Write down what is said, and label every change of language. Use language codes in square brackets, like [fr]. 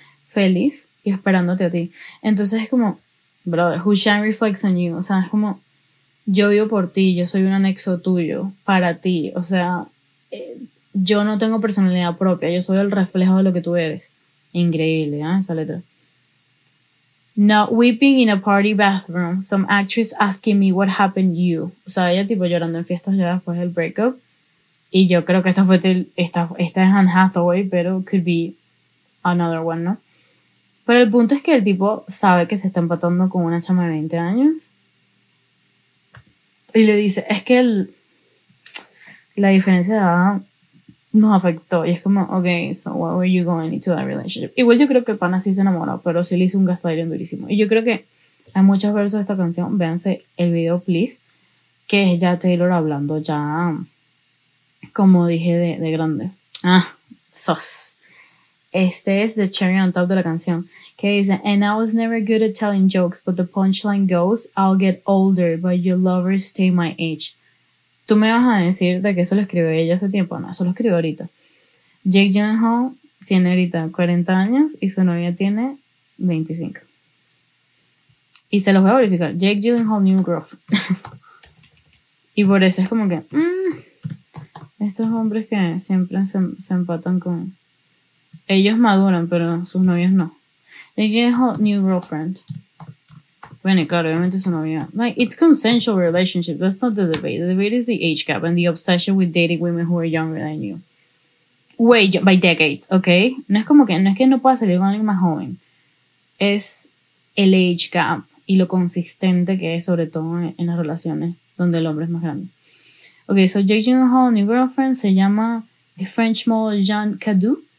[es] feliz y esperándote a ti. Entonces es como, brother, [en] who shine reflects on you. [es] O sea, es como, yo vivo por ti, yo soy un anexo tuyo, para ti. O sea, yo no tengo personalidad propia, yo soy el reflejo de lo que tú eres. Increíble, ¿eh? Esa letra. [en] Not weeping in a party bathroom, some actress asking me what happened to you. [es] O sea, ella tipo llorando en fiestas ya después del breakup. Y yo creo que esta es Anne Hathaway, pero [en] could be another one, [es] ¿no? Pero el punto es que el tipo sabe que se está empatando con una chama de 20 años. Y le dice, es que la diferencia de edad nos afectó. [en] Y es como, okay, so why were you going into that relationship? [es] Igual yo creo que el pana sí se enamoró, pero sí le hizo un gaslighting durísimo. Y yo creo que hay muchos versos de esta canción. Véanse el video, please, que es ya Taylor hablando ya, como dije, de grande. Ah, sos. Este es [en] the cherry on top [es] de la canción, que dice, [en] and I was never good at telling jokes, but the punchline goes, I'll get older, but your lovers stay my age. [es] Tú me vas a decir de que eso lo escribió ella hace tiempo. No, eso lo escribió ahorita. Jake Gyllenhaal tiene ahorita 40 años y su novia tiene 25. Y se los voy a verificar. Jake Gyllenhaal, New Girl. Y por eso es como que, estos hombres que siempre se empatan con... Ellos maduran, pero sus novios no. [en] They get a new girlfriend. [es] Bueno, claro, obviamente su novia. [en] Like, it's consensual relationship. That's not the debate. The debate is the age gap and the obsession with dating women who are younger than you. Way, by decades, okay? [es] No es como que, no es que no pueda salir con alguien más joven. Es el age gap y lo consistente que es, sobre todo en las relaciones donde el hombre es más grande. [en] Okay, so Jake Gyllenhaal, new girlfriend, [es] se llama [en] French model Jean Cadu.